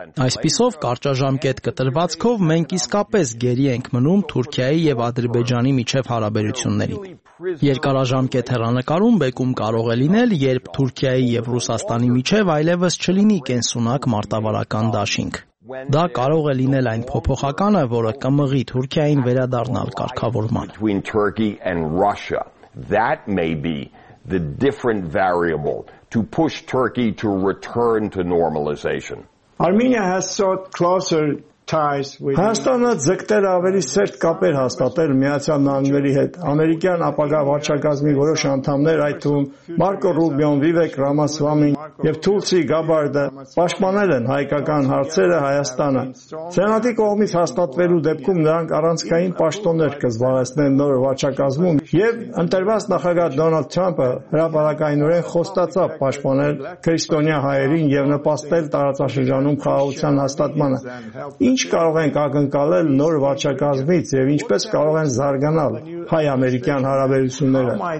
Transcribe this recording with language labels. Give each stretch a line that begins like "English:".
Armenian: Այսպիսով, կարճաժամկետ կտրվածքով մենք իսկապես գերի ենք մնում Թուրքիայի եւ Ադրբեջանի միջև հարաբերություններին։ Երկարաժամկետ հեռանկարում բեկում կարող է լինել, երբ Թուրքիայի եւ Ռուսաստանի միջև այլևս չլինի կենսունակ մարտավարական դաշինք։ Դա կարող է լինել այն փոփոխականը, որը կմղի Թուրքիային վերադառնալ կարգավորման։
English: Between Turkey and Russia, that may be the different variable to push Turkey to return to normalization. Armenia has sought closer ties with
Armenian: Հայաստանը ձգտել ավելի սերտ կապեր հաստատել Միացյալ Նահանգների հետ։ Ամերիկյան ապագա վարչակազմի որոշ անդամներ, այդ թվում Մարկո Ռուբիոն, Վիվեկ Ռամասվամի եւ Թուլսի Գաբարդը, պաշտպանել են հայկական հարցերը Հայաստանը։ Սենատի կողմից հաստատվելու դեպքում նրանք առանցքային պաշտոններ կզբաղեցնեն նոր վարչակազմում, եւ ընտրված նախագահ Դոնալդ Թրամփը հրապարակայնորեն խոստացավ պաշտպանել քրիստոնյա հայերին եւ նպաստել տարածաշրջանում խաղաղության հաստատմանը։ Ինչ կարող ենք ակնկալել նոր վարչակազմից եւ ինչպես կարող են զարգանալ հայ-ամերիկյան հարաբերությունները?